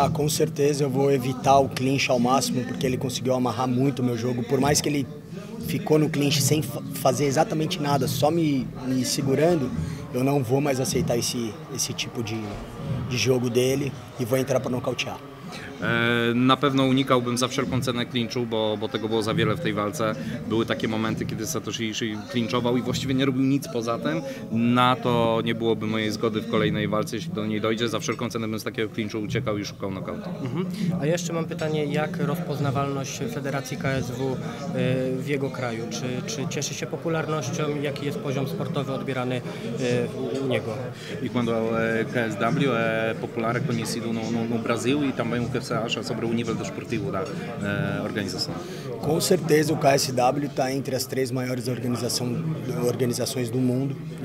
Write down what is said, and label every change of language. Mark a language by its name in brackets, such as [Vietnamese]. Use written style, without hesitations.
[Portuguese] Ah, com certeza eu vou evitar o clinch ao máximo, porque ele conseguiu amarrar muito o meu jogo, por mais que ele ficou no clinch sem fazer exatamente nada, só me segurando, eu não vou mais aceitar esse tipo de jogo dele e vou entrar para nocautear. [Polish] Na pewno unikałbym za wszelką cenę klinczu, bo tego było za wiele w tej walce. Były takie momenty, kiedy Satoshi Ishii klinczował i właściwie nie robił nic poza tym. Na to nie byłoby mojej zgody w kolejnej walce, jeśli do niej dojdzie. Za wszelką cenę bym z takiego klinczu uciekał i szukał nokautu. Mhm. A jeszcze mam pytanie, jak rozpoznawalność Federacji KSW w jego kraju? Czy cieszy się popularnością? Jaki jest poziom sportowy odbierany u niego? [Portuguese] I quando KSW é popular, conhecido no Brasil e também o que você acha sobre o nível desportivo da organização? Com certeza o KSW está entre as três maiores organizações do mundo.